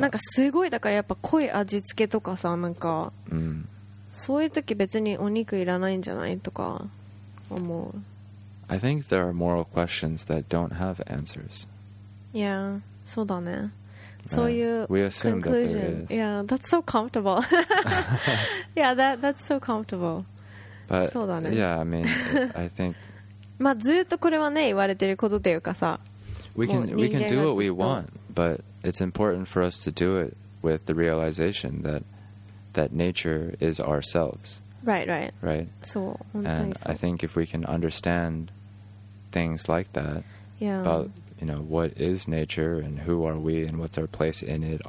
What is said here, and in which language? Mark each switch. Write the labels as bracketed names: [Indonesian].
[Japanese] なんかすごいだからやっぱ濃い味付けとかさ、なんか、そういう時別にお肉いらないんじゃないとか思う。 [English] I think there are moral questions that don't have answers. Yeah, [Japanese] そうだね。 [English] So you we assume conclusion. That there is. Yeah, that's so comfortable. Yeah, that's so comfortable. But [Japanese] そうだね。 [English] Yeah, I mean, I think. [Japanese] まあずっとこれはね言われてることというかさ。 [English] We can do what we want, but it's important for us to do it with the realization that nature is ourselves. Right. So, and I think if we can understand things like that, about you know, what is nature and who are we and what's our place in it?